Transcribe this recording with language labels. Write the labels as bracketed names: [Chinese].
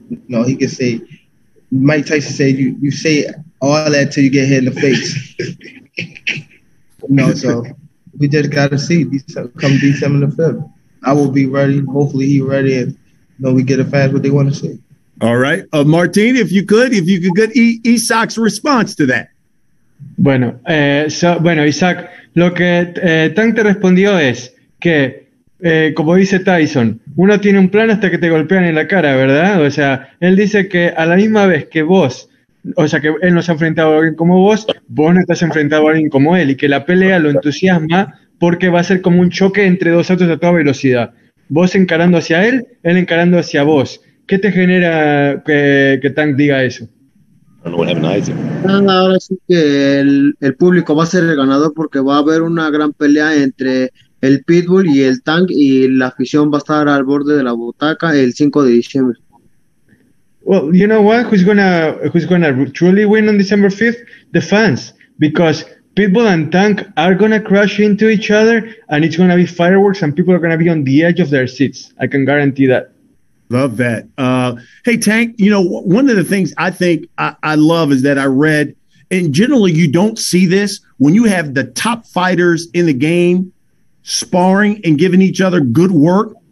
[English] You know, he could say, Mike Tyson said, you say all that till you get hit in the face. You know, so we just got to see. Come December the 5th, I will be ready. Hopefully he ready, and you know, we get the fans what they want to see. All right. Martin, if you could get Isaac's response to that. [Spanish] Bueno, Isaac, lo que Tank te respondió es que, como dice Tyson, uno tiene un plan hasta que te golpean en la cara, ¿verdad? O sea, él dice que a la misma vez que vos, o sea, que él no se ha enfrentado a alguien como vos, vos no estás enfrentado a alguien como él, y que la pelea lo entusiasma porque va a ser como un choque entre dos autos a toda velocidad. Vos encarando hacia él encarando hacia vos. ¿Qué te genera que Tank diga eso? Ahora sí que el público va a ser el ganador porque va a haber una gran pelea entre el Pitbull y el Tank, y la afición va a estar al borde de la butaca el 5 de diciembre. [English] Well, you know what? Who's gonna truly win on December 5th? The fans, because Pitbull and Tank are gonna crash into each other, and it's gonna be fireworks, and people are gonna be on the edge of their seats. I can guarantee that. Love that. Hey, Tank, you know, one of the things I think I love is that I read, and generally you don't see this, when you have the top fighters in the game sparring and giving each other good work.